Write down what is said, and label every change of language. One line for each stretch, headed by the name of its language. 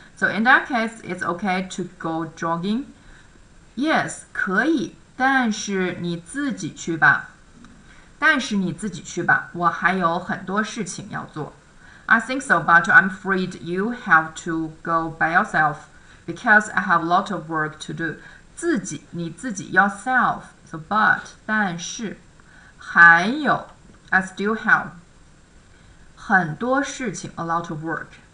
English: So in that case, it's okay to go jogging.
Chinese: Yes, 可以，但是你自己去吧。但是你自己去吧，我还有很多事情要做。
English: I think so, but I'm afraid you have to go by yourself because I have a lot of work to do.
Chinese: 自己，你自己
English: yourself. So but,
Chinese: 但是，还有
English: I still have
Chinese: 很多事情
English: a lot of work.